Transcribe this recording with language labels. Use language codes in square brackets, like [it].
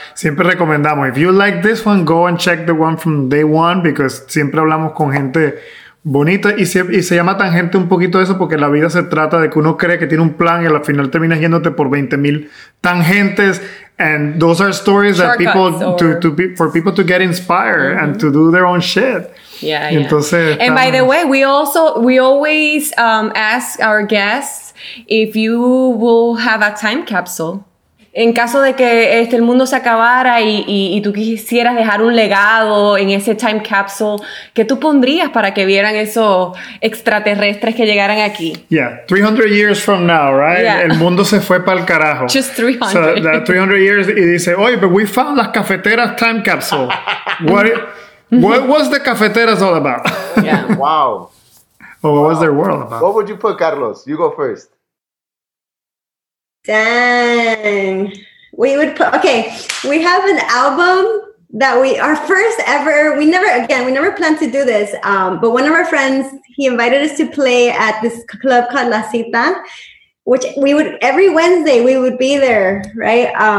[es] Siempre recomendamos, [en] if you like this one, go and check the one from day one, [es] because siempre hablamos con gente bonita y se llama tangente un poquito eso, porque la vida se trata de que uno cree que tiene un plan y al final terminas yéndote por 20,000 tangentes. [en] And those are stories that people for people to get inspired and to do their own shit. Yeah. [es] Entonces, [en] and by the way, we always ask our guests if you will have a time capsule. [es] En caso de que el mundo se acabara y tú quisieras dejar un legado en ese time capsule, ¿qué tú pondrías para que vieran esos extraterrestres que llegaran aquí? [en] Yeah, 300 years from now, right? [es] Yeah. El mundo se fue para el carajo. [en] Just 300. So that 300 years, [es] y dice, oye, [en] but we found Las Cafeteras time capsule. What was the Cafeteras all about? Yeah. Wow. Well, what was their world about? What would you put, Carlos? You go first. Dang, we would put, okay, we have an album that we never planned to do this, but one of our friends, he invited us to play at this club called La Cita, which we would, every Wednesday we would be there, right?